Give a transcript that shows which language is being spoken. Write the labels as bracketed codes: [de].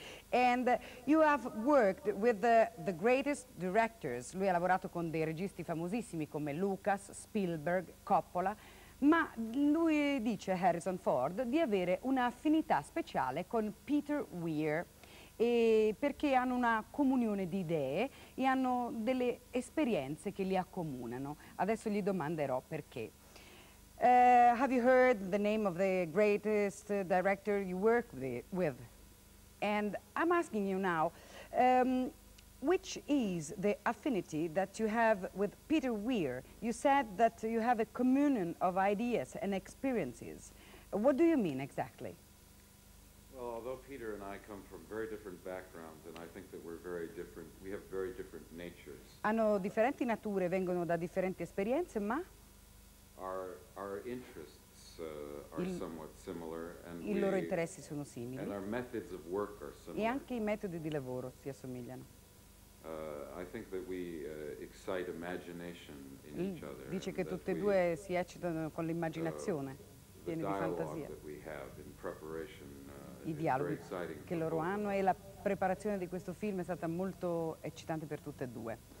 [en] And you have worked with the greatest directors. [it] Lui ha lavorato con dei registi famosissimi come Lucas, Spielberg, Coppola. Ma lui dice, Harrison Ford, di avere un'affinità speciale con Peter Weir. E perché hanno una comunione di idee e hanno delle esperienze che li accomunano. Adesso gli domanderò perché. [en] Have you heard the name of the greatest director you work with? And I'm asking you now, which is the affinity that you have with Peter Weir? You said that you have a communion of ideas and experiences. What do you mean exactly? Well, although Peter and I come from very different backgrounds, and I think that we're very different, we have very different natures. [it] Hanno differenti nature, vengono da differenti esperienze, ma [en] our interests are somewhat similar, and [it] i loro interessi sono simili. [en] And our methods of work are similar. [it] E anche i metodi di lavoro si assomigliano. [en] I think that we excite imagination in each other. [it] Dice che tutte e due si eccitano con l'immaginazione, pieni di fantasia. [en] That we have in preparation. [it] I dialoghi che loro hanno e la preparazione di questo film è stata molto eccitante per tutte e due.